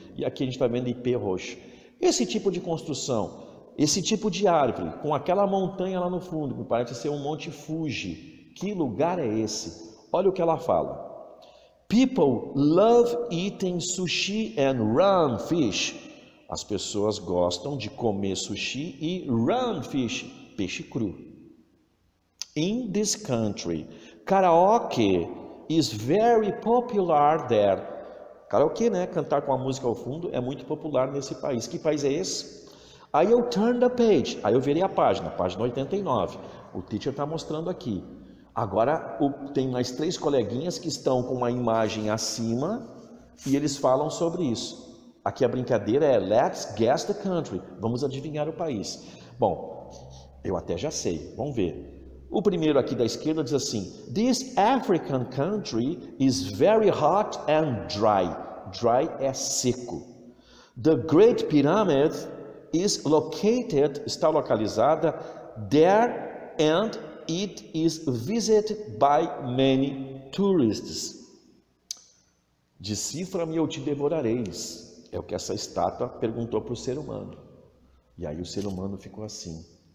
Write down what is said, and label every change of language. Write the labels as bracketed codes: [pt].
[pt] E aqui a gente está vendo ipê roxo. Esse tipo de construção, esse tipo de árvore, com aquela montanha lá no fundo, que parece ser um monte Fuji. Que lugar é esse? Olha o que ela fala. [en] People love eating sushi and raw fish. [pt] As pessoas gostam de comer sushi e [en] raw fish, [pt] peixe cru. [en] In this country, karaoke is very popular there. [pt] Karaoke, né? Cantar com a música ao fundo é muito popular nesse país. Que país é esse? Aí eu [en] turned the page. [pt] Aí eu virei a página, página 89. O teacher está mostrando aqui. Agora tem mais três coleguinhas que estão com uma imagem acima e eles falam sobre isso. Aqui a brincadeira é [en] let's guess the country. [pt] Vamos adivinhar o país. Bom, eu até já sei. Vamos ver. O primeiro aqui da esquerda diz assim, [en] this African country is very hot and dry. [pt] Dry é seco. [en] The Great Pyramid is located, [pt] está localizada, [en] there and it is visited by many tourists. [pt] Decifra-me ou te devorareis. É o que essa estátua perguntou para o ser humano. E aí o ser humano ficou assim.